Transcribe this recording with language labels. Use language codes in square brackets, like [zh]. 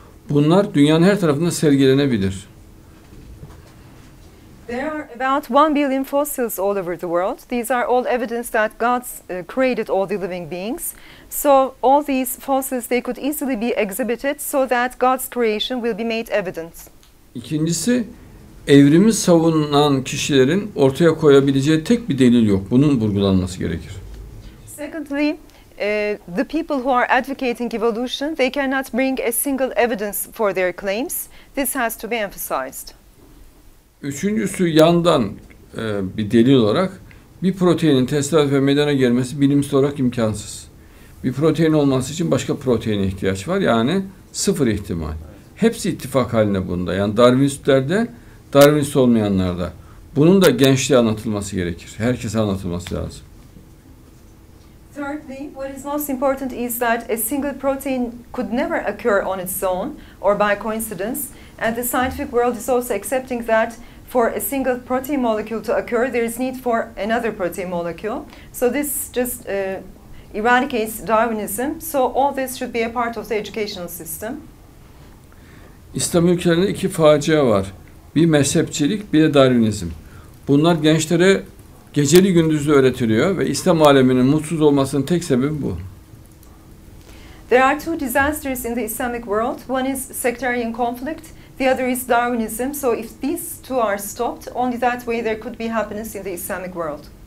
[tr] Bunlar dünyanın her tarafında sergilenebilir. [en] There are about 1 billion fossils all over the world. These are all evidence that God created all the living beings. So all these fossils, they could easily be exhibited so that God's creation will be made evident. [tr] İkincisi, evrimi savunan kişilerin ortaya koyabileceği tek bir delil yok. Bunun vurgulanması gerekir. [en] Secondly, the people who are advocating evolution, they cannot bring a single evidence for their claims. This has to be emphasized. [tr] Üçüncüsü yandan bir delil olarak bir proteinin tesadüfe meydana gelmesi bilimsel olarak imkansız. Bir protein olması için başka proteine ihtiyaç var. Yani sıfır ihtimal. Hepsi ittifak halinde bunda. Yani Darwinistlerde, Darwinist olmayanlarda. Bunun da gençliğe anlatılması gerekir. Herkese anlatılması lazım. [en] Thirdly, what is most important is that a single protein could never occur on its own or by coincidence. And the scientific world is also accepting that for a single protein molecule to occur, there is need for another protein molecule. So this just eradicates Darwinism. So all this should be a part of the educational system. [tr] İslam ülkelerinde iki facia var. Bir mezhepçilik, bir de Darwinizm. Bunlar gençlere geceli gündüzlü öğretiliyor ve İslam aleminin mutsuz olmasının tek sebebi bu. [en] There are two disasters in the Islamic world. One is sectarian conflict. The other is Darwinism. So if these two are stopped, only that way there could be happiness in the Islamic world.